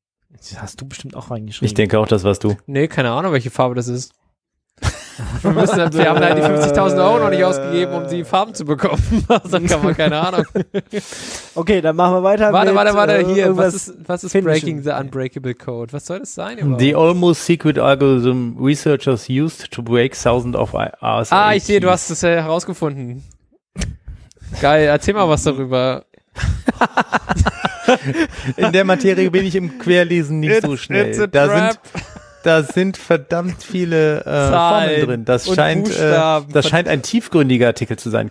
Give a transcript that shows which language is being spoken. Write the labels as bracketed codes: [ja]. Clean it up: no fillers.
[de] Das hast du bestimmt auch reingeschrieben. Ich denke auch, das warst du. Nee, keine Ahnung, welche Farbe das ist. Wir haben leider die 50.000 Euro noch nicht ausgegeben, um die Farben zu bekommen. Dann kann man keine Ahnung. Okay, dann machen wir weiter. Warte, hier, was ist Breaking the Unbreakable Code? Was soll das sein? [en] The almost secret algorithm researchers used to break thousands of RSA. [de] Ah, ich sehe, du hast es herausgefunden. Geil, erzähl mal was darüber. In der Materie bin ich im Querlesen nicht so schnell. Da sind verdammt viele Formeln drin. Das scheint ein tiefgründiger Artikel zu sein.